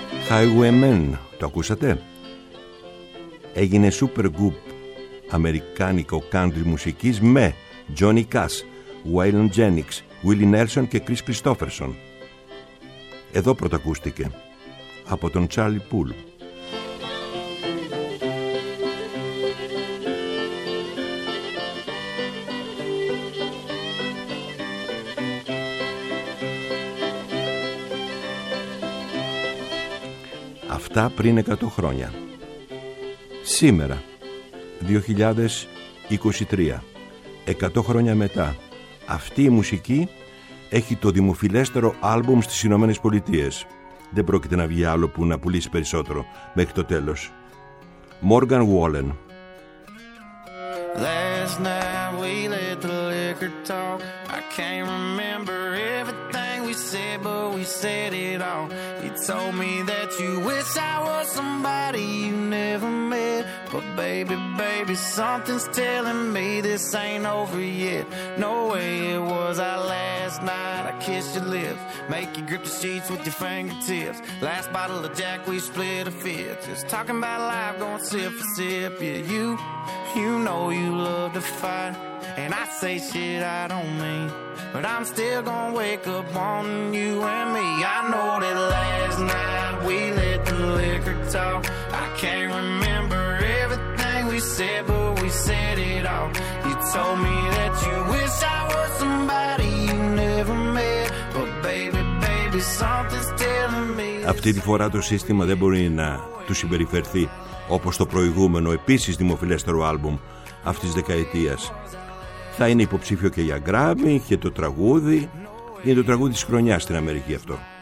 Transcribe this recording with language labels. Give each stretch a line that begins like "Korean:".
Greek: Highwaymen, το ακούσατε? Έγινε super group αμερικάνικο country μουσικής με Johnny Cash, Waylon Jennings, Willie Nelson και Chris Christopherson. Εδώ πρωτακούστηκε από τον Charlie Poole. Πριν 100 χρόνια. Σήμερα, 2023, 100 χρόνια μετά, αυτή η μουσική έχει το δημοφιλέστερο άλμπουμ στις Ηνωμένες Πολιτείες. Δεν πρόκειται να βγει άλλο που να πουλήσει περισσότερο μέχρι το τέλος. Morgan Wallen.
English: Last night we let the liquor talk. I can't remember everything we said, but we said it all. Told me that you wish I was somebody you never met. But baby, baby, something's telling me this ain't over yet. No way it was I last night. I kissed your lips, make you grip the sheets with your fingertips. Last bottle of Jack, we split a fifth. Just talking about life, going sip for sip. Yeah, you know you love to fight. And I say shit I don't mean, but I'm still gonna wake up on you and me. I know that last night we let the liquor talk. I can't remember everything we said, but we said it all. You told me that you wish I was somebody you never met. But baby, baby, something's telling me.
Greek: Αυτή τη φορά το σύστημα δεν μπορεί να του συμπεριφερθεί όπως το προηγούμενο επίσης δημοφιλέστερο άλμπουμ αυτής της δεκαετίας. Θα είναι υποψήφιο και για Grammy και το τραγούδι. Είναι το τραγούδι της χρονιάς στην Αμερική αυτό.